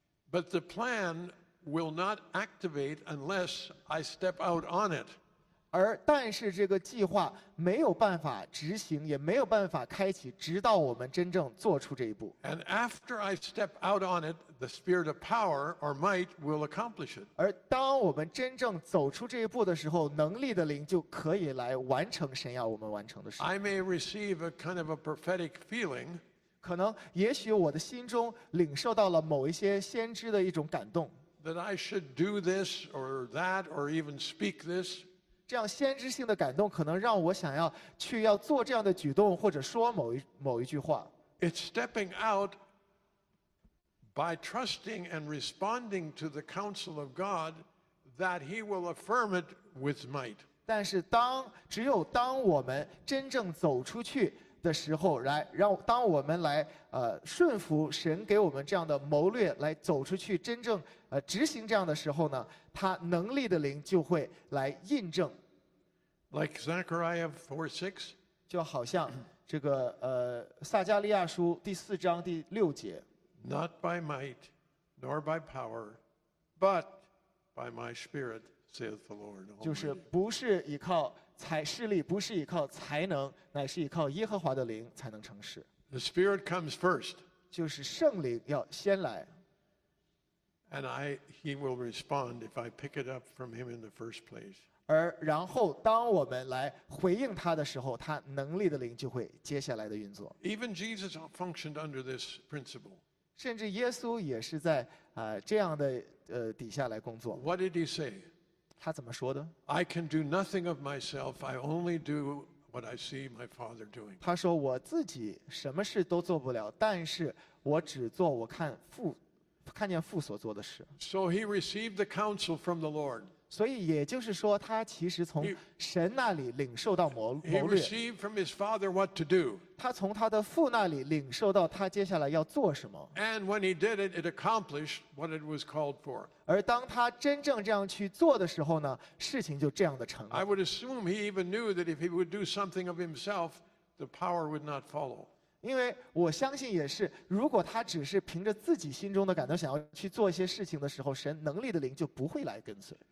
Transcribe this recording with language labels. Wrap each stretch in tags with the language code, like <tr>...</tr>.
<en>But the plan will not activate unless I step out on it.</en> <zh>而但是这个计划没有办法执行，也没有办法开启，直到我们真正做出这一步。</zh> <en>And after I step out on it, the spirit of power or might will accomplish it.</en> <zh>而当我们真正走出这一步的时候，能力的灵就可以来完成神要我们完成的事。</zh> <en>I may receive a kind of a prophetic feeling.</en> <zh>可能也许我的心中领受到了某一些先知的一种感动。</zh> <en>That I should do this or that or even speak this.</en> <zh>这样先知性的感动可能让我想要去要做这样的举动或者说某一句话。</zh> <en>It's stepping out by trusting and responding to the counsel of God that He will affirm it with might.</en> <zh>但是只有当我们真正走出去的时候，当我们来顺服神给我们这样的谋略来走出去，真正执行这样的时候呢，他能力的灵就会来印证。</zh> <en>Like Zechariah 4:6,</en> <zh>就好像这个撒迦利亚书第四章第六节。</zh> <en>Not by might nor by power, but by my spirit, saith the Lord.</en> <zh>就是不是依靠才势力，不是依靠才能，乃是依靠耶和华的灵才能成事。</zh> <en>The spirit comes first.</en> <zh>就是圣灵要先来。</zh> <en>And he will respond if I pick it up from him in the first place.</en> <zh>而然后当我们来回应他的时候，他能力的灵就会接下来的运作。</zh> <en>Even Jesus functioned under this principle.</en> <zh>甚至耶稣也是在这样的底下来工作。</zh> <en>What did he say?</en> <zh>他怎么说的？</zh> <en>I can do nothing of myself. I only do what I see my Father doing.</en> <zh>他说我自己什么事都做不了，但是我只做我看见父所做的事。</zh> <en>So he received the counsel from the Lord.</en> <zh>所以也就是说，他其实从神那里领受到谋略。</zh> <en>He received from his father what to do.</en> <zh>他从他的父那里领受到他接下来要做什么。</zh> <en>And when he did it, it accomplished what it was called for.</en> <zh>而当他真正这样去做的时候呢，事情就这样的成了。</zh> <en>I would assume he even knew that if he would do something of himself, the power would not follow.</en> <zh>因为我相信也是，如果他只是凭着自己心中的感动想要去做一些事情的时候，神能力的灵就不会来跟随。</zh>